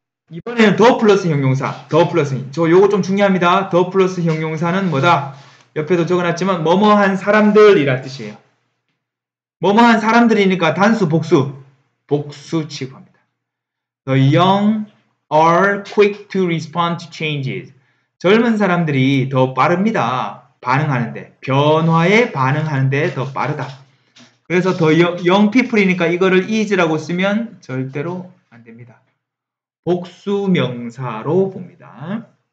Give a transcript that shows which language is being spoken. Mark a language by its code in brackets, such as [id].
[ko] 이번에는 더 플러스 형용사. 더 플러스. 저 요거 좀 중요합니다. 더 플러스 형용사는 뭐다? 옆에도 적어놨지만 뭐뭐한 사람들이란 뜻이에요. 뭐뭐한 사람들이니까 단수 복수 복수 취급합니다. [en] The young are quick to respond to changes. [ko] 젊은 사람들이 더 빠릅니다. 반응하는데 변화에 반응하는데 더 빠르다. 그래서 더 [en] young people [ko] 이니까 이거를 is라고 쓰면 절대로 안 됩니다. 복수 명사로 봅니다.